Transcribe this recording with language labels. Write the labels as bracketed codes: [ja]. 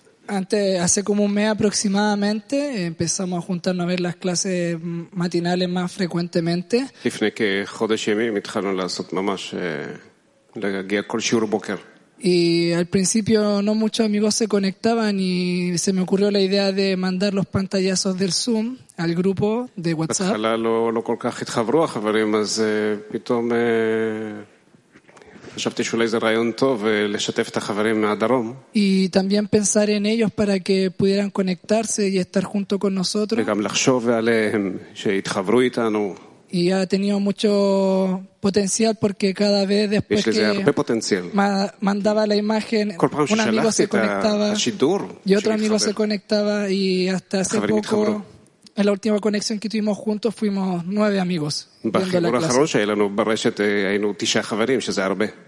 [es] Antes, hace como un mes aproximadamente, empezamos a juntarnos a ver las clases matinales más frecuentemente. [he] לפני כחודש ימים התחלנו לעשות ממש, להגיע כל שיעור בוקר. [es] Y al principio no muchos amigos se conectaban y se me ocurrió la idea de mandar los pantallazos del Zoom al grupo de WhatsApp. [he] התחלה לא כל כך התחברו החברים, אז פתאום חשבתי שאולי זה רעיון טוב לשתף את החברים מהדרום. [es] Y también pensar en ellos para que pudieran conectarse y estar junto con nosotros. [he] וגם לחשוב עליהם שיתחברו איתנו. [es] Y ha tenido mucho potencial porque cada vez después [he] יש לזה הרבה פוטנציאל. [es] מandaba la imagen, [he] כל פעם [es] un amigo se conectaba. [he] השידור. [es] Y otro amigo se conectaba y hasta hace poco en la última conexión que tuvimos juntos fuimos 9 amigos. [he] בחיבור האחרון שהיה לנו ברשת היינו 9 חברים, שזה הרבה.